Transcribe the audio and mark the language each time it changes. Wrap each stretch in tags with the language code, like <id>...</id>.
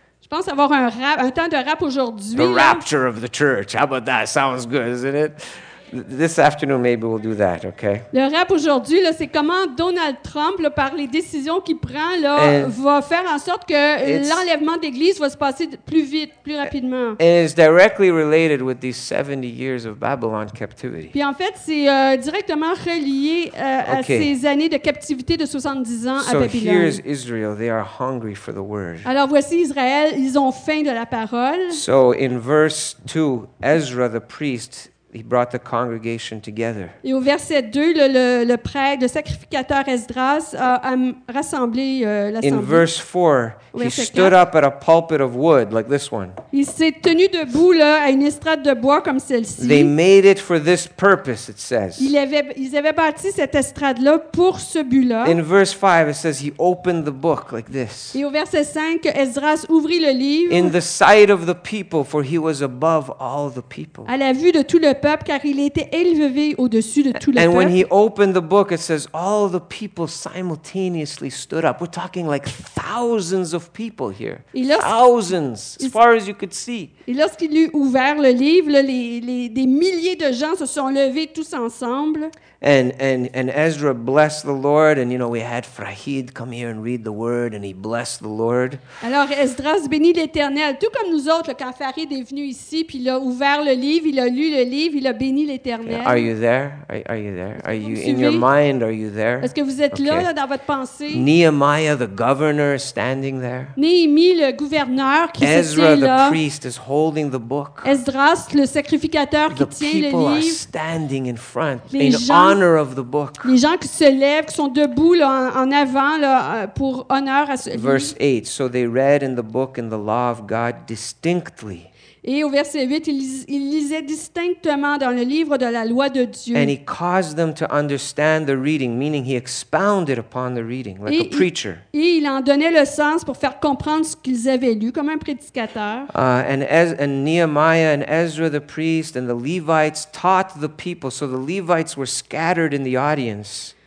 <fr>pense avoir un rap, un temps de rap aujourd'hui.</fr> <en>The rapture of the church. How about that? Sounds good, isn't it? This afternoon, maybe we'll do that, okay?</en> <fr>Le rap aujourd'hui, là, c'est comment Donald Trump, là, par les décisions qu'il prend, là, va faire en sorte que l'enlèvement d'église va se passer plus vite, plus rapidement.</fr> <en>And it's directly related with these 70 years of Babylon captivity.</en> <fr>Puis en fait, c'est directement relié à ces années de captivité de 70 ans à Babylone.</fr> <en>So here's Israel. They are hungry for the word.</en> <fr>Alors voici Israël. Ils ont faim de la parole.</fr> <en>So in verse 2, Ezra the priest. He brought the congregation together.</en> <fr>Et au verset 2, le prêtre, le sacrificateur Esdras a rassemblé l'assemblée.</fr> <en>In verse 4, he stood up at a pulpit of wood like this one.</en> <fr>Il s'est tenu debout là à une estrade de bois comme celle-ci.</fr> <en>They made it for this purpose, it says.</en> <fr>Ils avaient bâti cette estrade là pour ce but-là.</fr> <en>In verse 5, it says he opened the book like this.</en> <fr>Et au verset 5, Esdras ouvrit le livre.</fr> <en>In the sight of the people, for he was above all the people.</en> <fr>À la vue de tout le peuple, car il était élevé au-dessus de tout le</fr> <en>peuple. And when he opened the book, it says all the people simultaneously stood up. We're talking like thousands of people here. Thousands, as far as you could see.</en> <fr>Et lorsqu'il eut ouvert le livre, des milliers de gens se sont levés tous ensemble.</fr> <en>And Ezra blessed the Lord, and you know we had Frahid come here and read the word, and he blessed the Lord.</en> <fr>Alors Esdras bénit l'Éternel, tout comme nous autres. Quand Frahid est venu ici, puis il a ouvert le livre, il a lu le livre, il a béni l'Éternel.</fr> <en>Okay. Are you there? Are you there? Are you in your mind? Are you there?</en> <fr>Est-ce que vous êtes là dans votre pensée?</fr> <en>Nehemiah, the governor, is standing there.</en> <fr>Néhémie, le gouverneur, qui se tient là.</fr> <en>Ezra, the priest, is holding the book.</en> <fr>Esdras, le sacrificateur, qui tient le livre.</fr> <en>The people are standing in front. Honor of the book.</en> <fr>Les gens qui se lèvent, qui sont debout là, en avant là, pour honneur à ce livre.</fr> <en>Verse 8. So they read in the book in the law of God distinctly.</en> <fr>Et au verset 8, il lisait distinctement dans le livre de la loi de Dieu.</fr> <en>And he caused them to understand the reading, meaning he expounded upon the reading like</en> <fr>et</fr> <en>a preacher.</en> <fr>Et il en donnait le sens pour faire comprendre ce qu'ils avaient lu comme un prédicateur.</fr> <en>And Nehemiah and Ezra the priest and the Levites taught the people, so the Levites were scattered in the audience.</en>